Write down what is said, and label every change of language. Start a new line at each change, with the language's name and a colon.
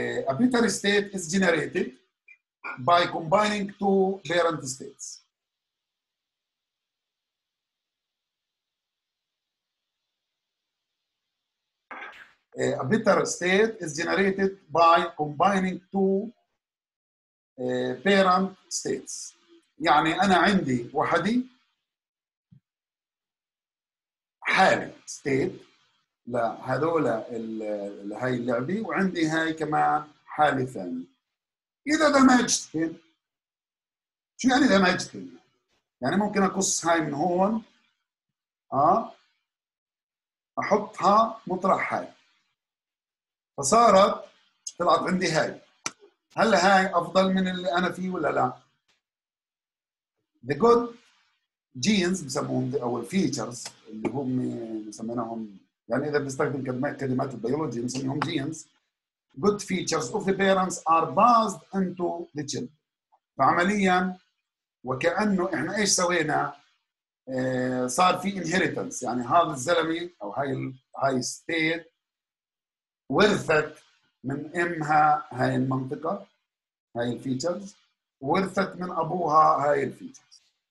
English: A better state is generated by combining two parent states. A bitter state is generated by combining two parent states.
Arabic: يعني أنا عندي وحدي حالي state لهذول هاي اللعبة وعندي هاي كمان حالة ثانية. إذا دمجت كين شو يعني دمجت كين؟ يعني ممكن أقص هاي من هون أحطها مطرح هاي فصارت طلعت عندي هاي. هل هاي أفضل من اللي أنا فيه ولا لا؟
English: The good genes
Arabic: بسموهم أو features اللي هم نسميناهم يعني إذا بنستخدم كلمات البيولوجي نسميهم genes.
English: Good features of the parents are passed into the children.
Arabic: فعمليا وكأنه إحنا إيش سوينا؟ صار في inheritance يعني هذا الزلمة أو هاي state ورثت من امها هاي المنطقه هاي الفيتشرز ورثت من ابوها هاي الفيتشرز.